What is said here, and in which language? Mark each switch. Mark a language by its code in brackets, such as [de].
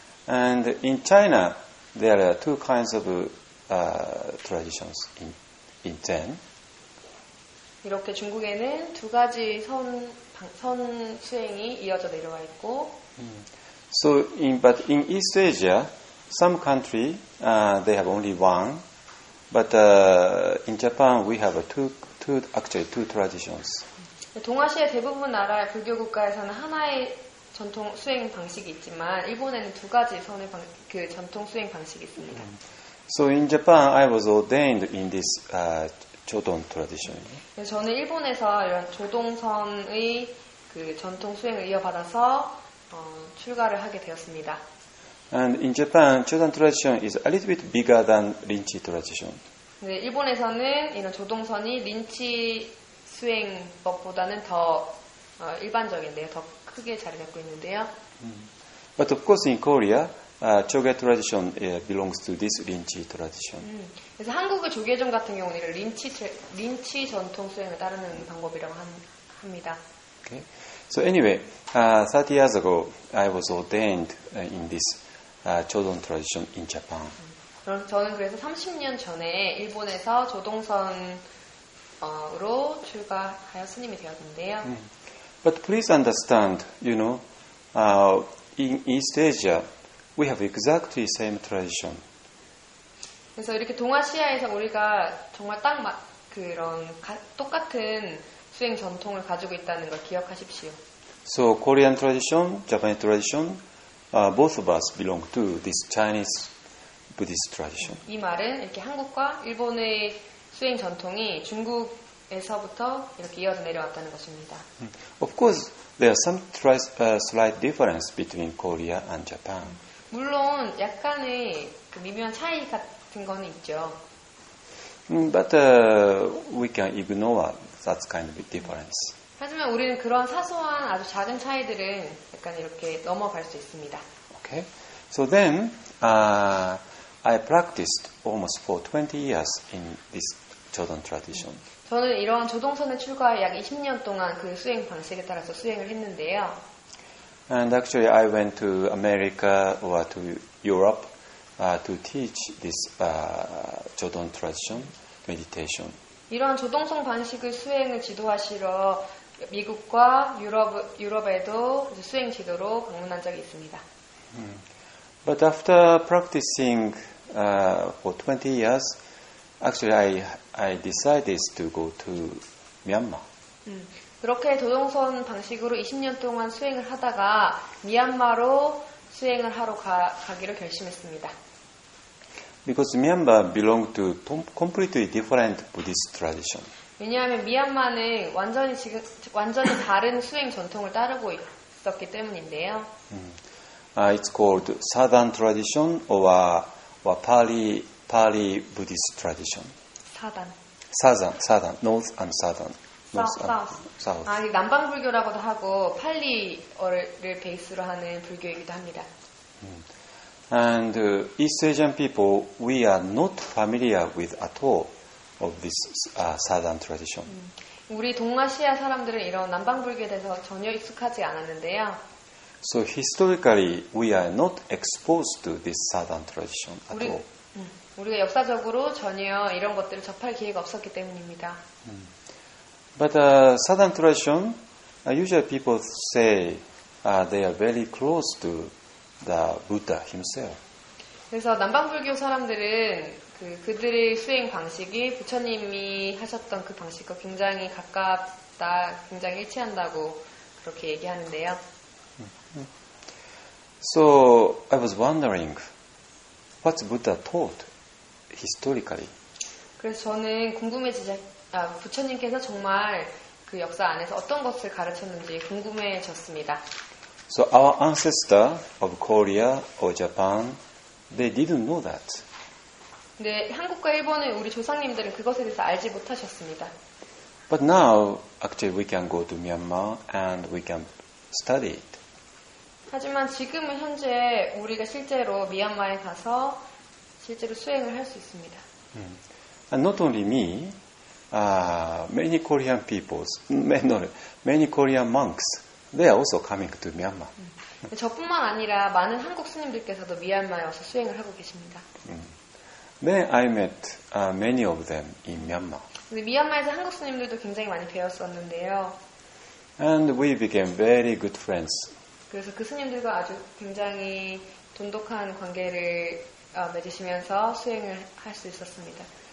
[en] And in China, there are two kinds of traditions in Zen. [ko] 이렇게 중국에는 두 가지 선 수행이 이어져 내려와 있고. [en] So, but in East Asia, some country they have only one, but in Japan we have two traditions. [ko] 동아시아 대부분 나라 불교 국가에서는 하나의 전통 수행 방식이 있지만 일본에는 두 가지 선의 그 전통 수행 방식이 있습니다. [en] So in Japan, I was ordained in this. 조동 tradition. [ko] 저는 일본에서 이런 조동선의 그 전통 수행을 이어받아서 출가를 하게 되었습니다. [en] And in Japan, 조동 tradition is a little bit bigger than 린치 tradition. [ko] 네, 일본에서는 이런 조동선이 린치 수행법보다는 더 일반적인데요, 더 크게 자리 잡고 있는데요. [en] But of course, in Korea. Joge tradition belongs to this Rinchi tradition. [ko] 그래서 한국의 조계종 같은 경우는 린치 전통 수행을 따르는 방법이라고 합니다. [en] Okay. So anyway, 30 years ago, I was ordained in this Jodong tradition in Japan. [ko] 저는 그래서 30년 전에 일본에서 조동선으로 출가하여 스님이 되었는데요. [en] But please understand, you know, in East Asia. We have exactly the same tradition. [ko] 그래서 이렇게 동아시아에서 우리가 정말 딱 그런 똑같은 수행 전통을 가지고 있다는 걸 기억하십시오. [en] So Korean tradition, Japanese tradition, both of us belong to this Chinese Buddhist tradition. [ko] 이 말은 이렇게 한국과 일본의 수행 전통이 중국 에서부터 이렇게 이어져 내려왔다는 것입니다. [en] Of course, there are some slight difference between Korea and Japan. [ko] 물론 약간의 그 미묘한 차이 같은 건 있죠. [en] But we can ignore that kind of difference. [ko] 하지만 우리는 그런 사소한 아주 작은 차이들은 약간 이렇게 넘어갈 수 있습니다. [en] Okay. So then, I practiced almost for 20 years in this Jodong tradition. [ko] 저는 이러한 조동선의 출가에 약 20년 동안 그 수행 방식에 따라서 수행을 했는데요. [en] And actually, I went to America or to Europe to teach this Jodong tradition meditation. [ko] 이러한 조동성 방식을 수행을 지도하시러 미국과 유럽에도 수행 지도로 방문한 적이 있습니다. [en] But after practicing for 20 years, actually I decided to go to Myanmar. [ko] 그렇게 조동선 방식으로 20년 동안 수행을 하다가 미얀마로 수행을 하러 가기로 결심했습니다. [en] Because Myanmar belongs to completely different Buddhist tradition. [ko] 왜냐하면 미얀마는 완전히 다른 수행 전통을 따르고 있었기 때문인데요. [en] It's called Southern tradition or Pali Buddhist tradition. Southern, North and Southern. South. [ko] 아, 남방 불교라고도 하고 팔리어를 베이스로 하는 불교이기도 합니다. [en] And East Asian people, we are not familiar with at all of this Southern tradition. [ko] 우리 동아시아 사람들은 이런 남방 불교에 대해서 전혀 익숙하지 않았는데요. [en] So historically, we are not exposed to this Southern tradition at all. [ko] 우리가 역사적으로 전혀 이런 것들을 접할 기회가 없었기 때문입니다. [en] But Southern tradition, usually people say they are very close to the Buddha himself. [ko] 그래서 남방 불교 사람들은 그들의 수행 방식이 부처님이 하셨던 그 방식과 굉장히 가깝다, 굉장히 일치한다고 그렇게 얘기하는데요. [en] So I was wondering what Buddha taught historically. [ko] 그래서 저는 궁금해지자. 부처님께서 정말 그 역사 안에서 어떤 것을 가르쳤는지 궁금해졌습니다. [en] So our ancestors of Korea or Japan, they didn't know that. [ko] 네, 한국과 일본의 우리 조상님들은 그것에 대해서 알지 못하셨습니다. [en] But now, actually, we can go to Myanmar and we can study it. [ko] 하지만 지금은 현재 우리가 실제로 미얀마에 가서 실제로 수행을 할 수 있습니다. [en] And not only me. Many Korean peoples, many Korean monks, they are also coming to Myanmar. [ko] 저뿐만 아니라 많은 한국 스님들께서도 미얀마에 와서 수행을 하고 계십니다. [en] Then I met many of them in Myanmar. [ko] 미얀마에서 한국 스님들도 굉장히 많이 배웠었는데요. [en] And we became very good friends. [ko] 그래서 그 스님들과 아주 굉장히 돈독한 관계를 맺으시면서 수행을 할 수 있었습니다.